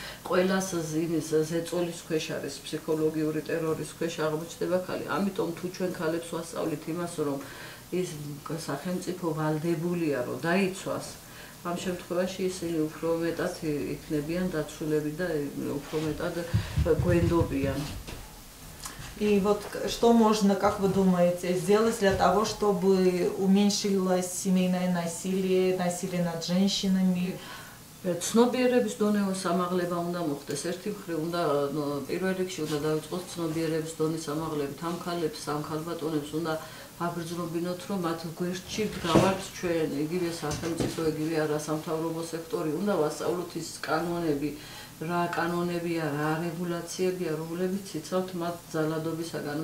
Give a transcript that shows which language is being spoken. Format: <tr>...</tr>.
<ka>ყველას ზინის ზეწოლის ქვეშ არის ფსიქოლოგიური ტერორის ქვეშ აღმოჩნდება ქალი ამიტომ თუ ჩვენ ქალებს ვასწავლით იმას რომ ის სახელმწიფო ვალდებულია რომ დაიცვას ამ შემთხვევაში ისინი უფრო მეტად იქნებიან დაცულები და უფრო მეტად გვენდობიან.</ka> <ru>И вот что можно, как вы думаете, сделать для того, чтобы уменьшилось семейное насилие, насилие над женщинами?</ru> <ka>Цнобиერების დონეს ამაღლება უნდა მოხდეს. ერთი მხრივ უნდა პირველ რიგში უნდა დაიწყოს ცნობიერების დონის ამაღლებით. ამ ქალებს, ამ ქალბატონებს უნდა აბრძნობინოთ, რომ მათ გვერდში დგავართ ჩვენ, იგივე სახელმწიფო, იგივე არასამთავრობო სექტორი, უნდა ვასწავლოთ ის კანონები, რა კანონებია, რა რეგულაციებია, რომლებიც ციცავთ მათ ძალადობისაგან.</ka>